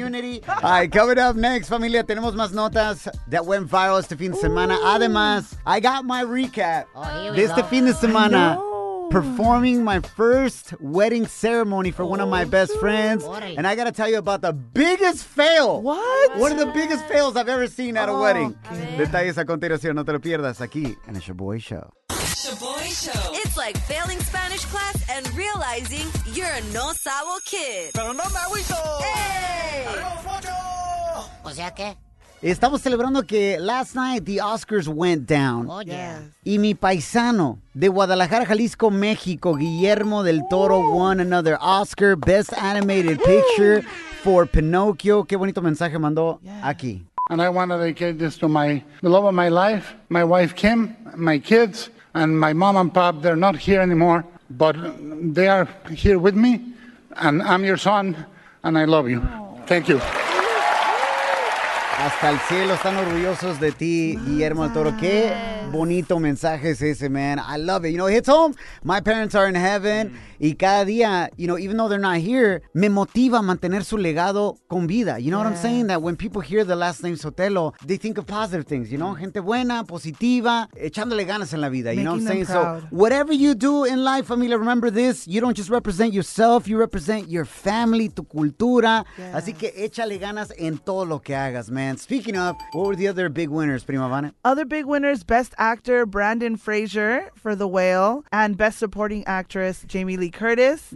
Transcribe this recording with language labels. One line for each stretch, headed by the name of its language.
English: Unity. All right, coming up next, familia,
Spanish: tenemos más notas
English: that went viral
Spanish: este fin de semana.
English: Además, I got my recap.
Spanish: Este fin de semana.
English: Performing my first wedding ceremony for one of my best friends. And I got to tell you about the biggest fail. What? One of the biggest fails I've ever seen at a wedding.
Spanish: Detalles a continuación. No te lo pierdas aquí en el Shaboy Show. Shaboy Show.
English: It's like failing Spanish class and realizing you're a
Spanish: no sabo
English: kid.
Spanish: Pero no me agüito. ¡Hey! O sea que... Estamos celebrando que
English: last night the Oscars went down. Oh, yeah.
Spanish: Y mi paisano de
English: Guadalajara, Jalisco, México, Guillermo del Toro, won another Oscar Best Animated Picture for Pinocchio.
Spanish: Qué bonito mensaje mandó aquí.
English: And I want to dedicate this to my the love of my life, my wife Kim, my kids, and my mom and pop. They're not here anymore, but they are here with me, and I'm your son, and I love you. Thank you.
Spanish: Hasta el cielo están orgullosos de ti, Guillermo del Toro. Qué bonito mensaje es ese, man.
English: I love it. You know, it hits home. My parents are in heaven.
Spanish: Y cada día,
English: you know, even though they're not here,
Spanish: me motiva a mantener su legado con vida.
English: You know what I'm saying? That when people hear the last name Sotelo, they think of positive things, you know?
Spanish: Gente buena, positiva, echándole ganas en la vida.
English: Making you know what I'm saying? Proud. So whatever you do in life, familia, remember this. You don't just represent yourself. You represent your family,
Spanish: tu cultura.
English: Yes.
Spanish: Así que échale ganas en todo lo que hagas, man.
English: Speaking of, what were the other big winners, Prima Vane? Other big winners, Best Actor Brandon Fraser for The Whale and Best Supporting Actress Jamie Lee Curtis.